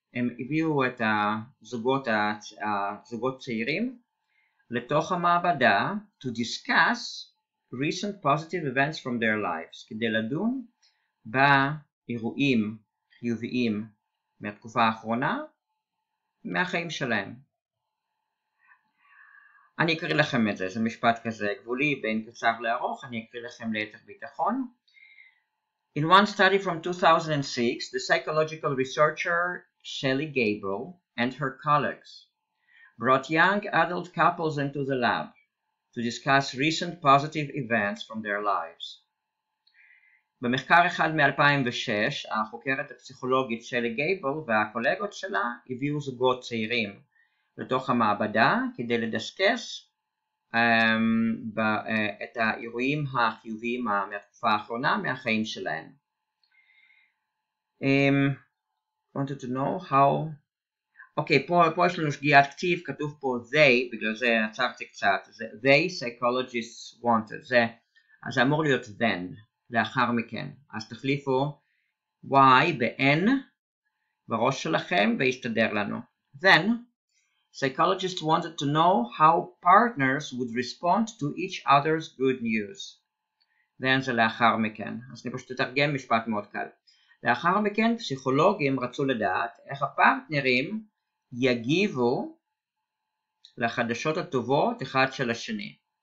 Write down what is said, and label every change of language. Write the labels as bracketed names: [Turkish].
[Hebrew] הם הביאו את הזוגות צעירים לתוך המעבדה [English] to discuss recent positive events from their lives, [Hebrew] כדי לדון באירועים חיוביים מהתקופה האחרונה מהחיים שלהם. אני אקריא לכם את זה, זה משפט כזה גבולי בין קצר לארוך, אני אקריא לכם ליתר ביטחון. [English] In one study from 2006, the psychological researcher Shelley Gable and her colleagues brought young adult couples into the lab to discuss recent positive events from their lives. [Hebrew] במחקר אחד מ-2006, החוקרת הפסיכולוגית שלי גייבל והקולגות שלה הביאו זוגות צעירים לתוך המעבדה כדי לדסקס את האירועים החיוביים מהתקופה האחרונה מהחיים שלהם. [English] I wanted to know how... [Hebrew] אוקיי, פה יש לנו שגיאת כתיב, כתוב פה they, בגלל זה עצרתי קצת, [English] they psychologists wanted, [Hebrew] זה, אז זה אמור להיות then, לאחר מכן, אז תחליפו y ב-n בראש שלכם והסתדר לנו. [English] Then, psychologists wanted to know how partners would respond to each other's good news. [Hebrew] Then זה לאחר מכן, אז אני פשוט אתרגם משפט מאוד קל. לאחר מכן, פסיכולוגים רצו לדעת איך הפרטנרים יגיבו לחדשות הטובות אחד של השני.